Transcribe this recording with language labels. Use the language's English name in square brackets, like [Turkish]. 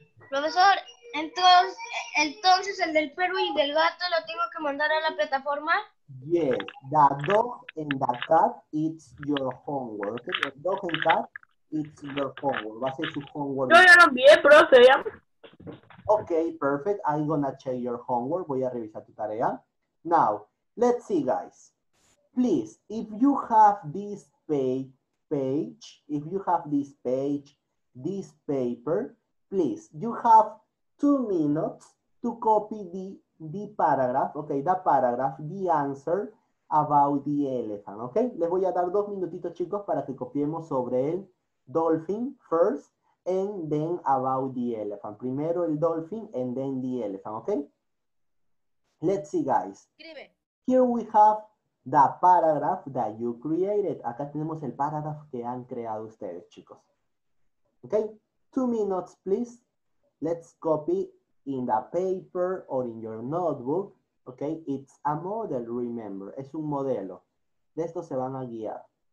[Spanish] Profesor, entonces el del perro y del gato lo tengo que mandar a la plataforma. [English] Yes, the dog and the cat, it's your homework. Okay, the dog and cat, it's your homework. [Spanish] Va a ser su homework. Yo ya lo envié, profe. [English] Okay, perfect. I'm gonna check your homework. [Spanish] Voy a revisar tu tarea. [English] Now, let's see, guys. Please, if you have this page, if you have this page, this paper, please, you have 2 minutes to copy the paragraph, okay, the paragraph, the answer about the elephant, okay? [Spanish] Les voy a dar 2 minutitos, chicos, para que copiemos sobre el dolphin [English] first and then about the elephant. [Spanish] Primero el [English] dolphin and then the elephant, okay? Let's see, guys. Here we have the paragraph that you created. [Spanish] Acá tenemos el paragraph que han creado ustedes, chicos. [English] Okay? 2 minutes, please. Let's copy in the paper or in your notebook. Okay? It's a model, remember. [Spanish] Es un modelo. De esto se van a guiar.